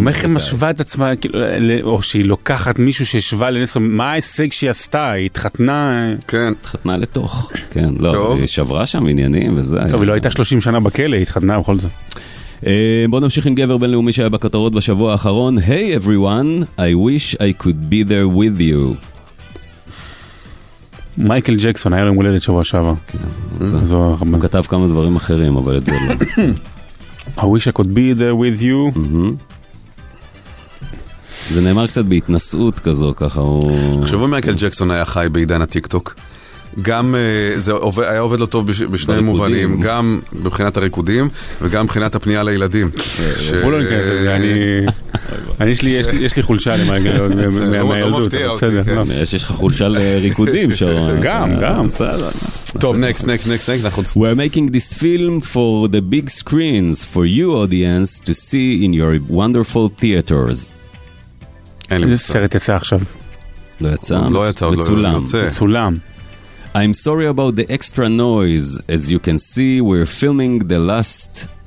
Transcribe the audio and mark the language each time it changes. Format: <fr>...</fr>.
<he>גם איך היא משווה את עצמה, או שהיא לוקחת מישהו שהשווה לנסו, מה ההישג שהיא עשתה? היא התחתנה... כן. התחתנה לתוך. כן, לא, היא שברה שם עניינים, וזה... טוב, היא לא הייתה 30 שנה בכלא, היא התחתנה בכל זאת. בואו נמשיך עם גבר בינלאומי שהיה בכותרות בשבוע האחרון.</he> <en>Hey everyone, I wish I could be there with you.</en> <he>מייקל ג'קסון, היה יום הולדת שבוע שעבר. הוא כתב כמה דברים אחרים, אבל את זה לא.</he> <en>I wish I could be there with you.</en> <he>זה נאמר קצת בהתנסות כזו, ככה הוא... חשבו מייקל ג'קסון היה חי בעידן הטיק טוק. גם זה היה עובד לו טוב בשני מובנים, גם מבחינת הריקודים, וגם מבחינת הפנייה לילדים. בואו לא נכנס את זה, אני... יש לי חולשה מהילדות. יש לך חולשה לריקודים שרון. גם טוב,</he> <en>next. We're making this film for the big screens, for you audience to see in your wonderful theaters.</en> <he>איזה סרט יצא עכשיו? לא יצא, לא יצא, מצולם.</he> <en>I'm sorry about the extra noise, as you can see we're filming the last</en>